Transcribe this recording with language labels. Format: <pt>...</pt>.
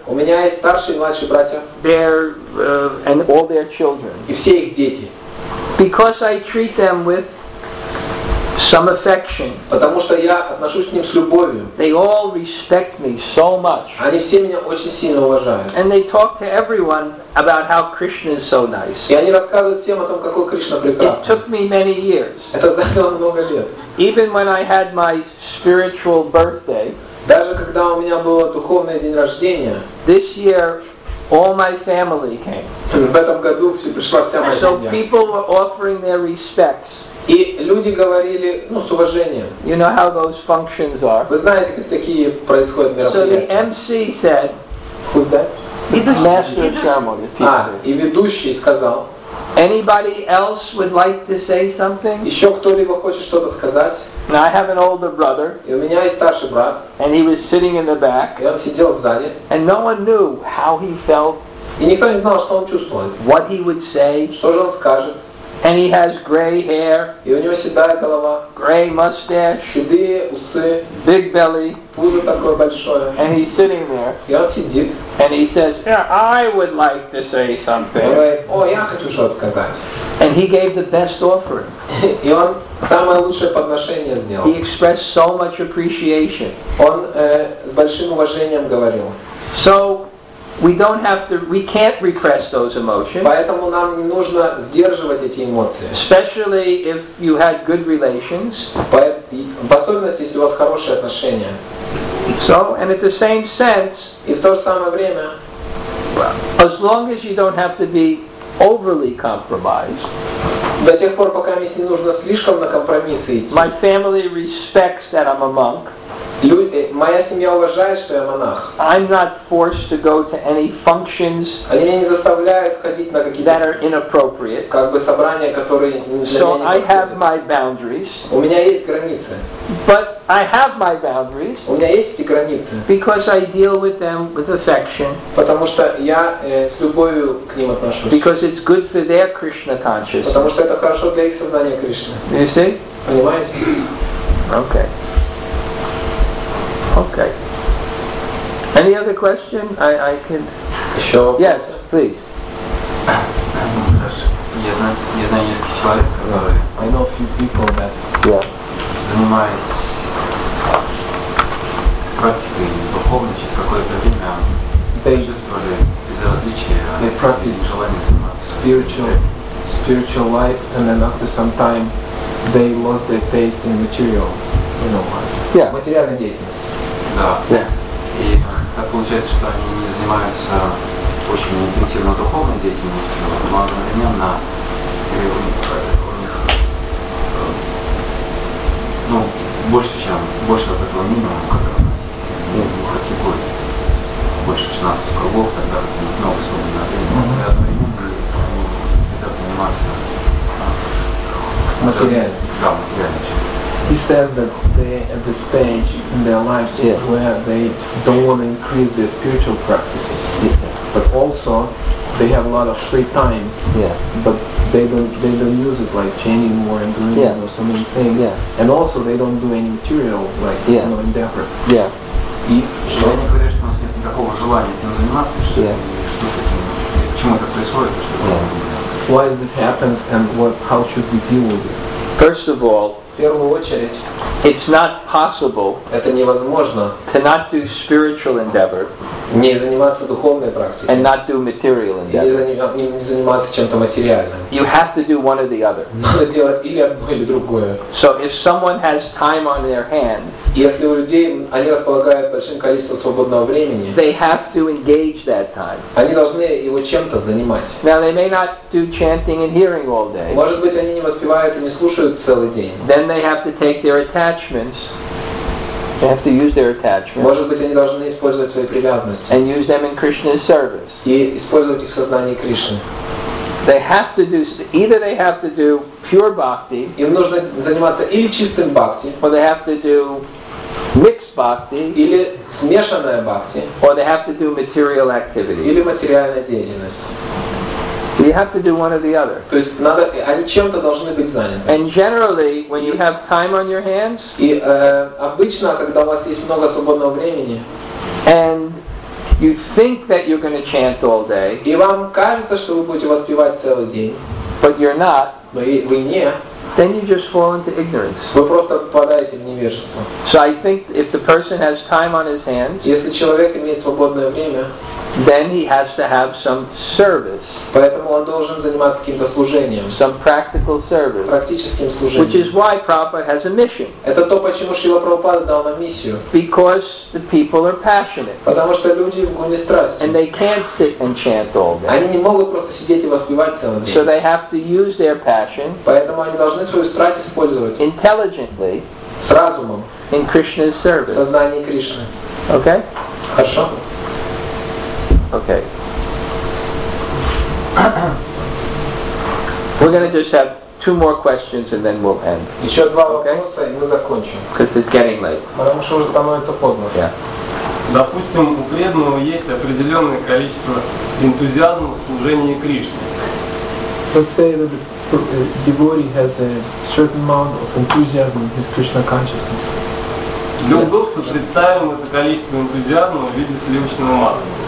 <ru>У меня есть старшие и младшие братья.</ru> <en>And all their children.</en> <ru>И все их дети.</ru> <en>Because I treat them with some affection.</en> <ru>Потому что я отношусь к ним с любовью.</ru> <en>They all respect me so much.</en> <ru>Они все меня очень сильно уважают.</ru> <en>And they talk to everyone about how Krishna is so nice.</en> <ru>И они рассказывают всем о том, какой Кришна прекрасный.</ru> <en>It took me many years.</en> <ru>Это заняло много лет.</ru> <en>Even when I had my spiritual birthday.</en> <ru>Даже когда у меня был духовный день рождения.</ru> <en>This year, all my family came.</en> <ru>В этом году все пришла вся моя</ru> <en>so</en> <ru>семья.</ru> <en>So people were offering their respects.</en> <ru>И люди говорили, ну, с уважением.</ru> <en>You know how those functions are.</en> <ru>Вы знаете, как такие происходят мероприятия.</ru> <en>So the MC said, who's that?</en> <ru>Ведущий.</ru> <en>Master of ceremony.</en> <ru>И ведущий сказал.</ru> <en>Anybody else would like to say something?</en> <ru>Еще кто-либо хочет что-то сказать?</ru> <en>Now I have an older brother.</en> <ru>И у меня есть старший брат.</ru> <en>And he was sitting in the back.</en> <ru>И он сидел сзади.</ru> <en>And no one knew how he felt.</en> <ru>И никто не знал, что он чувствует.</ru> <en>What he would say.</en> <ru>Что же он скажет?</ru> <en>And he has gray hair.</en> <ru>И у него седая голова.</ru> <en>Gray mustache.</en> <ru>Седые усы.</ru> <en>Big belly.</en> <ru>Пузо такое большое.</ru> <en>And he's sitting there.</en> <ru>И он сидит.</ru> <en>And he says, "Yeah, I would like to say something."</en> <ru>Говорит, о, я хочу что-то сказать.</ru> <en>And he gave the best offering.</en> <ru>И он самое лучшее подношение сделал.</ru> <en>He expressed so much appreciation.</en> <ru>Он с большим уважением говорил.</ru> <en>So. We don't have to. We can't repress those emotions.</en> <ru>Поэтому нам не нужно сдерживать эти эмоции.</ru> <en>Especially if you had good relations.</en> <ru>В особенности, если у вас хорошие отношения.</ru> <en>So, and at the same sense.</en> <ru>И в то же самое время.</ru> <en>As long as you don't have to be overly compromised.</en> <ru>До тех пор, пока мне не нужно слишком на компромиссы идти.</ru> <en>My family respects that I'm a monk.</en> <ru>Моя семья уважает, что я монах.</ru> <en>I'm not forced to go to any functions.</en> <ru>Они меня не заставляют ходить на какие-то.</ru> <en>That are inappropriate.</en> <ru>Как бы собрания, которые для меня.</ru> <en>So I have my boundaries.</en> <ru>У меня есть границы.</ru> <en>But I have my boundaries.</en> <ru>У меня есть эти границы.</ru> <en>Because I deal with them with affection.</en> <ru>Потому что я с любовью к ним отношусь.</ru> <en>Because it's good for their Krishna consciousness.</en> <ru>Потому что это хорошо для их сознания Кришны.</ru> <en>You see?</en> <ru>Понимаете?</ru> <en>Okay. Okay. Any other question? I can. Sure. Yes, please. I know a few people that. Yeah. They practice spiritual life, and then after some time, they lost their taste in material. You know what? Yeah. Material deities.</en> <ru>Да.</ru> <en>Yeah.</en> <ru>И так получается, что они не занимаются очень интенсивно духовной деятельностью, но одновременно у них ну, больше от этого минимума, как практикуют. Больше 16 кругов, тогда у них много свободного времени. Но одновременно это заниматься материально. Да, материально чем.</ru> <en>He says that they at the stage in their lives where they don't want to increase their spiritual practices, but also they have a lot of free time. Yeah. But they don't use it like chanting more and doing so many things. Yeah. And also they don't do any material like you know, endeavor. Yeah. If they don't have any desire to do anything, why is this happens and what how should we deal with it? First of all.</en> <ru>В первую очередь,</ru> <en>it's not possible</en> <ru>это невозможно</ru> <en>to not do spiritual endeavor</en> <ru>не заниматься духовной практикой</ru> <en>and not do material endeavor.</en> <ru>И не заниматься чем-то материальным.</ru> <en>You have to do one or the other.</en> <ru>Надо делать или одно, или другое.</ru> <en>So if someone has time on their hands,</en> <ru>если у людей они располагают большим количеством свободного времени,</ru> <en>they have to engage that time.</en> <ru>Они должны его чем-то занимать.</ru> <en>Now they may not do chanting and hearing all day.</en> <ru>Может быть, они не воспевают и не слушают целый день.</ru> <en>Then they have to take their attachments. They have to use their attachments.</en> <ru>Может быть, они должны использовать свои привязанности.</ru> <en>And use them in Krishna's service.</en> <ru>И использовать их в сознании Кришны.</ru> <en>They have to do, either they have to do pure bhakti,</en> <ru>им нужно заниматься или чистым бхакти,</ru> <en>or they have to do mixed bhakti,</en> <ru>или смешанная бхакти,</ru> <en>or they have to do material activity,</en> <ru>или материальная деятельность.</ru> <en>So you have to do one or the other.</en> <ru>То есть надо, они чем-то должны быть заняты.</ru> <en>And generally, when you have time on your hands,</en> <ru>и обычно, когда у вас есть много свободного времени,</ru> <en>and you think that you're going to chant all day,</en> <ru>и вам кажется, что вы будете воспевать целый день,</ru> <en>but you're not,</en> <ru>но вы не,</ru> <en>then you just fall into ignorance.</en> <ru>Вы просто попадаете в невежество.</ru> <en>So I think if the person has time on his hands,</en> <ru>если человек имеет свободное время,</ru> <en>then he has to have some service.</en> <ru>Поэтому он должен заниматься каким-то служением.</ru> <en>Some practical service.</en> <ru>Практическим служением.</ru> <en>Which is why Prabhupada has a mission.</en> <ru>Это то, почему Шрила Прабхупада дал нам миссию.</ru> <en>Because the people are passionate.</en> <ru>Потому что люди в гуне страсти.</ru> <en>And they can't sit and chant all day.</en> <ru>Они не могут просто сидеть и воспевать целый день.</ru> <en>So they have to use their passion.</en> <ru>Поэтому они должны свою страсть использовать.</ru> <en>Intelligently.</en> <ru>С разумом.</ru> <en>In Krishna's service.</en> <ru>В сознании Кришны.</ru> <en>Okay?</en> <ru>Хорошо.</ru> <en>Okay. We're going to just have two more questions and then we'll end.</en> <ru>Еще два вопроса и мы закончим.</ru> <en>Because it's getting late.</en> <ru>Потому что уже становится поздно.</ru> <en>Yeah.</en> <ru>Допустим, у преданного есть определенное количество энтузиазма в служении Кришне.</ru> <en>Let's say that the devotee has a certain amount of enthusiasm in his Krishna consciousness.</en> <ru>Любовь представим это количество энтузиазма в виде сливочного масла.</ru>